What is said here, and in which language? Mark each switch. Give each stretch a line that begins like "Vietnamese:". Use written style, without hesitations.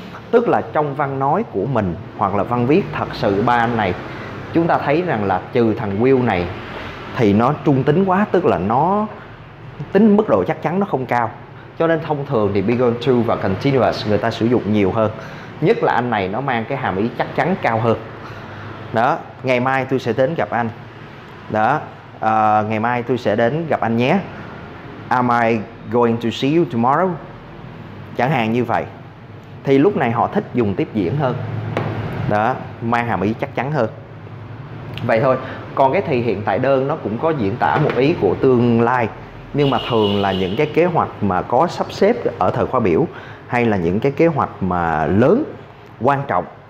Vietnamese: Tức là trong văn nói của mình hoặc là văn viết, thật sự ba anh này chúng ta thấy rằng là trừ thằng will này thì nó trung tính quá, tức là nó tính mức độ chắc chắn nó không cao. Cho nên thông thường thì be gone to và continuous người ta sử dụng nhiều hơn, nhất là anh này nó mang cái hàm ý chắc chắn cao hơn. Đó, ngày mai tôi sẽ đến gặp anh. Đó, ngày mai tôi sẽ đến gặp anh nhé.
English: Am I going to see you tomorrow?
Vietnamese: Chẳng hạn như vậy. Thì lúc này họ thích dùng tiếp diễn hơn. Đó, mang hàm ý chắc chắn hơn. Vậy thôi. Còn cái thì hiện tại đơn nó cũng có diễn tả một ý của tương lai, nhưng mà thường là những cái kế hoạch mà có sắp xếp ở thời khóa biểu, hay là những cái kế hoạch mà lớn, quan trọng.